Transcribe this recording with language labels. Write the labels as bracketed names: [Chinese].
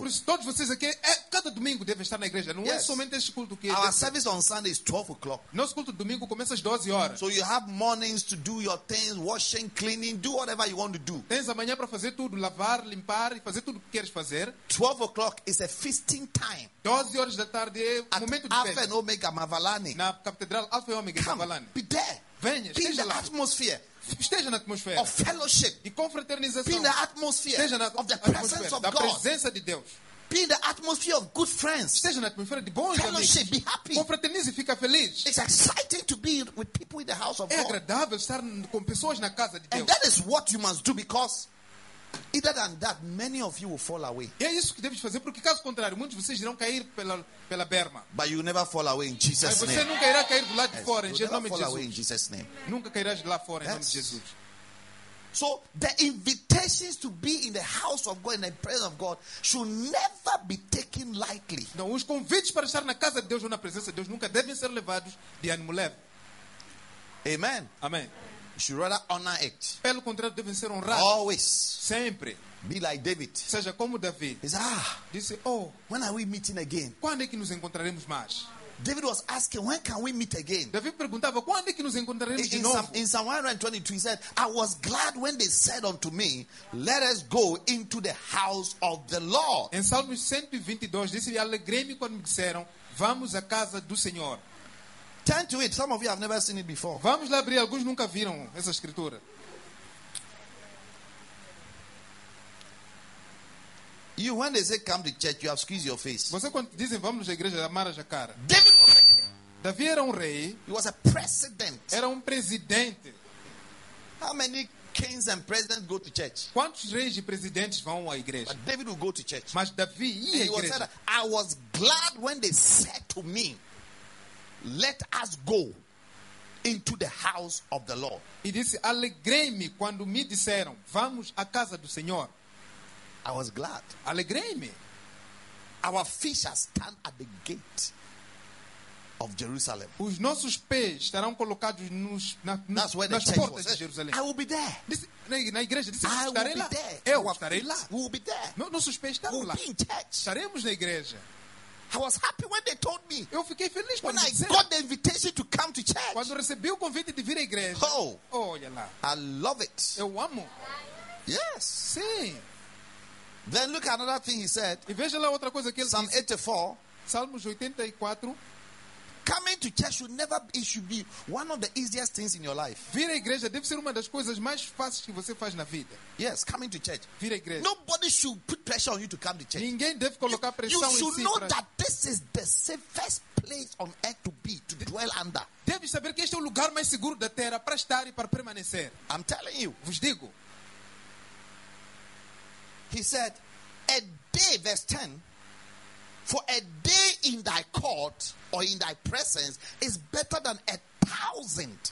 [Portuguese] É por isso todos vocês aqui, cada domingo devem estar na igreja. Não [English] yes. [Portuguese] É somente este culto que [English] our service on Sunday is 12 o'clock. [Portuguese] Nosso culto domingo começa às 12 horas. [English] So you have mornings to do your things, washing, cleaning, do whatever you want to do. [Portuguese] Tens amanhã para fazer tudo, lavar, limpar e fazer tudo o que queres fazer. [English] 12 o'clock is a feasting time. [Portuguese] 12 horas da tarde é o momento de [English] Alpha and Omega Mavalani. [Portuguese] Na catedral Alpha e Omega Mavalani. [English] Be there. [Portuguese] Venha, [English] be [Portuguese] esteja [English] in the [Portuguese] lá. [English] Atmosphere. [Portuguese] Esteja na atmosfera. [English] Of fellowship. [Portuguese] E confraternização. [English] Be in the atmosphere. [Portuguese] Esteja na [English] of the presence of [Portuguese] da [English] God. [Portuguese] Presença de Deus. [English] Be in the atmosphere of good friends. [Portuguese] Esteja na atmosfera de bons [English] fellowship, [Portuguese] amigos. [English] Be happy. [Portuguese] Confraternize, fica feliz. [English] It's exciting to be with people in the house of [Portuguese] God. É agradável estar com pessoas na casa de Deus. [English] And that is what you must do because Either than that, many of you will fall away. [Portuguese] É isso que deves fazer, porque caso contrário, muitos de vocês irão cair pela berma. [English] But you never fall away in Jesus' name. [Portuguese] Você nunca irá cair do lado de fora em nome de Jesus. [English] In Jesus' name. [Portuguese] Nunca cairás de lá fora em nome de Jesus. [English] So the invitations to be in the house of God, in the presence of God, should never be taken lightly. [Portuguese] Então, os convites para estar na casa de Deus ou na presença de Deus nunca devem ser levados de ânimo leve. [English] Amen. [Portuguese] Amém. [English] You should rather honor it. [Portuguese] Pelo contrário, devem ser honrados. [English] Always. [Portuguese] Sempre. [English] Be like David. [Portuguese] Seja como Davi. [English] He said, [Portuguese] disse, oh, [English] when are we meeting again? [Portuguese] Quando é que nos encontraremos mais? [English] David was asking, when can we meet again? [Portuguese] Davi perguntava, quando é que nos encontraremos de novo? [English] In Psalm 122, he said, I was glad when they said unto me, let us go into the house of the Lord. [Portuguese] Em Salmo 122, disse, alegrei-me quando me disseram, vamos à casa do Senhor. [English] Turn to it. Some of you have never seen it before. [Portuguese] Vamos lá abrir. Alguns nunca viram essa escritura. [English] You, when they say come to church, you have squeezed your face. [Portuguese] Você quando dizem vamos à igreja, amarras a cara. [English] David was a king. [Portuguese] Davi era rei. [English] He was a president. [Portuguese] Era presidente. [English] How many kings and presidents go to church? [Portuguese] Quantos reis e presidentes vão à igreja? [English] But David would go to church. [Portuguese] Mas Davi ia à igreja. [English] I was glad when they said to me, let us go into the house of the Lord. [Portuguese] E disse, alegrei-me quando me disseram, vamos à casa do Senhor. [English] I was glad. [Portuguese] Alegrei-me. [English] Our feet shall stand at the gate of Jerusalem. [Portuguese] Os nossos pés estarão colocados nas portas [English] was. [Portuguese] De Jerusalém. [English] I will be there. [Portuguese] Disse, na igreja, disse, [English] I [Portuguese] estarei [English] will [Portuguese] lá. [English] Be there. [Portuguese] Eu estarei lá. [English] We will be there. [Portuguese] Nossos pés estarão [English] we'll [Portuguese] lá. [English] Be in church. [Portuguese] Estaremos na igreja. [English] I was happy when they told me. [Portuguese] Eu fiquei feliz [English] when [Portuguese] quando [English] I got the invitation to come to church. [Portuguese] Quando recebi o convite de vir à igreja. [English] Oh, [Portuguese] olha lá. [English] I love it. [Portuguese] Eu amo. [English] Yes. [Portuguese] Sim. [English] Then look at another thing he said. [Portuguese] E veja lá outra coisa que ele [English] Psalm [Portuguese] disse. 84. Salmos 84. [English] Coming to church should never be, it should be one of the easiest things in your life. [Portuguese] Vir à igreja deve ser uma das coisas mais fáceis que você faz na vida. [English] Yes, coming to church. [Portuguese] Vir à igreja. [English] Nobody should put pressure on you to come to church. [Portuguese] Ninguém deve colocar pressão em [English] si. You should know that this is the safest place on earth to be, to dwell under. [Portuguese] Deve saber que este é o lugar mais seguro da terra para estar e para permanecer. [English] I'm telling you. [Portuguese] Vos digo. [English] He said, a day, verse 10, for a day in thy court or in thy presence is better than 1,000.